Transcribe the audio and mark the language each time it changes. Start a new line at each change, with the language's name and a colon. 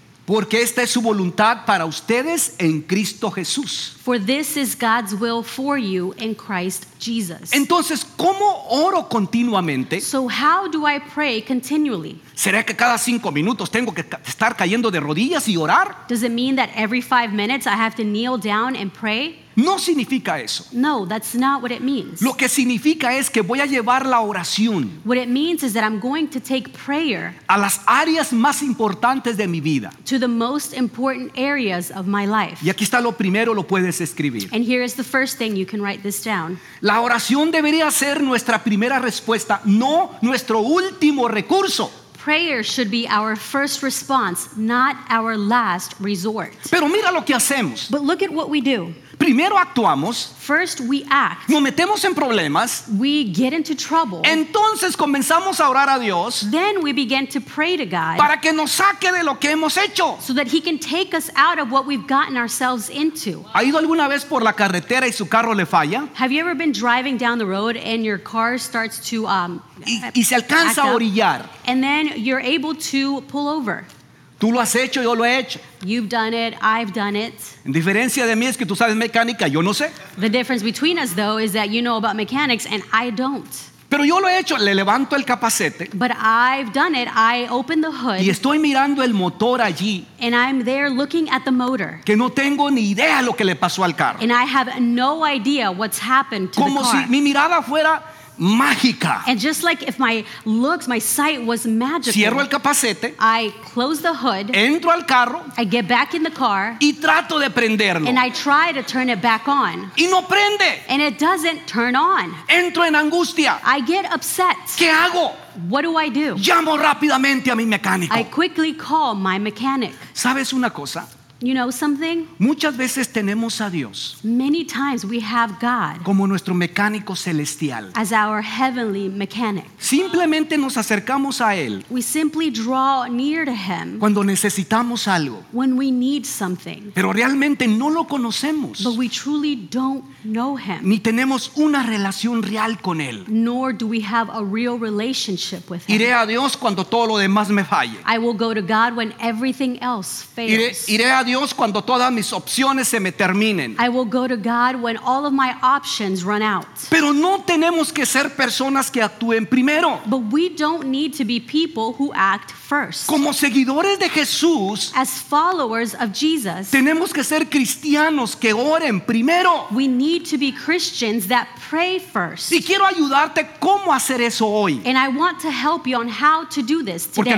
Spanish: Porque esta es su voluntad para ustedes en Cristo Jesús.
English: For this is God's will for you in Christ Jesus.
Spanish: Entonces, ¿cómo oro continuamente?
English: So how do I pray continually?
Spanish: ¿Será que cada 5 minutos tengo que estar cayendo de rodillas y orar?
English: Does it mean that every 5 minutes I have to kneel down and pray?
Spanish: No significa eso.
English: No, that's not what it means.
Spanish: Lo que significa es que voy a llevar la oración.
English: What it means is that I'm going to take prayer
Spanish: a las áreas más importantes de mi vida.
English: To the most important areas of my life.
Spanish: Y aquí está lo primero, lo puedes escribir.
English: And here is the first thing you can write this down.
Spanish: La oración debería ser nuestra primera respuesta, no nuestro último recurso.
English: Prayer should be our first response, not our last resort.
Spanish: Pero mira lo que hacemos.
English: But look at what we do.
Spanish: Primero actuamos.
English: First we act.
Spanish: Nos metemos en problemas.
English: We get into trouble.
Spanish: Entonces comenzamos a orar a Dios.
English: Then we begin to pray to God.
Spanish: Para que nos saque de lo que hemos hecho.
English: So that he can take us out of what we've gotten ourselves into.
Spanish: ¿Ha ido alguna vez por la carretera y su carro le falla?
English: Have you ever been driving down the road and your car starts to
Spanish: y se alcanza a orillar.
English: And then you're able to pull over.
Spanish: Tú lo has hecho, yo lo he hecho.
English: You've done it, I've done it.
Spanish: En diferencia de mí es que tú sabes mecánica, yo no sé.
English: The difference between us though is that you know about mechanics and I don't.
Spanish: Pero yo lo he hecho, le levanto el capacete.
English: But I've done it, I open the hood.
Spanish: Y estoy mirando el motor allí.
English: And I'm there looking at the motor.
Spanish: Que no tengo ni idea lo que le pasó al carro.
English: And I have no idea what's happened to
Spanish: Como
English: the car.
Spanish: Como si mi mirada fuera mágica.
English: And just like if my looks, my sight was magical.
Spanish: Cierro el capacete.
English: I close the hood.
Spanish: Entro al carro.
English: I get back in the car.
Spanish: Y trato de prenderlo.
English: And I try to turn it back on.
Spanish: Y no prende.
English: And it doesn't turn on.
Spanish: Entro en angustia.
English: I get upset.
Spanish: ¿Qué hago?
English: What do I do?
Spanish: Llamo rápidamente a mi mecánico.
English: I quickly call my mechanic.
Spanish: ¿Sabes una cosa?
English: You know something?
Spanish: Muchas veces tenemos a Dios.
English: Many times we have God.
Spanish: Como nuestro mecánico celestial.
English: As our heavenly mechanic.
Spanish: Simplemente nos acercamos a él.
English: We simply draw near to him.
Spanish: Cuando necesitamos algo.
English: When we need something.
Spanish: Pero realmente no lo conocemos.
English: But we truly don't know him.
Spanish: Ni tenemos una relación real con él.
English: Nor do we have a real relationship with him.
Spanish: Iré a Dios cuando todo lo demás me falle.
English: I will go to God when everything else fails.
Spanish: Iré a Dios cuando todas mis opciones se me terminen.
English: I will go to God when all of my options run out.
Spanish: Pero no tenemos que ser personas que actúen primero.
English: But we don't need to be people who act first.
Spanish: Como seguidores de Jesús,
English: as followers of Jesus,
Spanish: tenemos que ser cristianos que oren primero.
English: We need to be Christians that pray first.
Spanish: Y quiero ayudarte cómo hacer eso hoy.
English: And I want to help you on how to do this today.